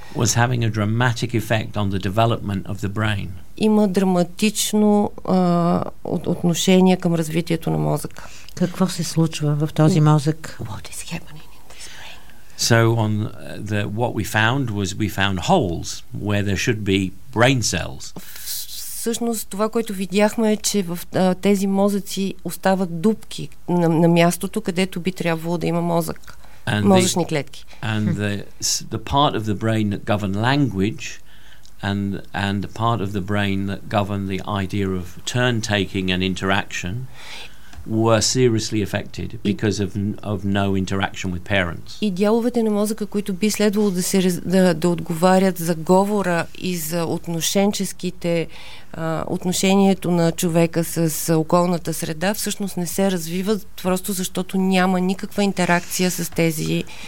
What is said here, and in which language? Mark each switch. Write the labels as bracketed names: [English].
[English] was having a dramatic effect on the development of the brain. [Bulgarian] Има драматично отношение към развитието на мозъка. Какво се случва в този мозък? [English] What is happening in this brain? So on the what we found was we found holes where there should be brain cells. [Bulgarian] Всъщност това, което видяхме е, че в тези мозъци остават дупки на мястото, където би трябвало да има мозък, [English] and [Bulgarian] мозъчни клетки. [English] And the part of the brain that govern language and the part of the brain that govern the idea of turn-taking and interaction. were seriously affected because of no interaction with parents. [Bulgarian] И дяловете на мозъка, които би следвало да се да отговарят за говора и за отношенческите отношението на човека с околната среда, всъщност не се развиват просто защото няма никаква интеракция с тези.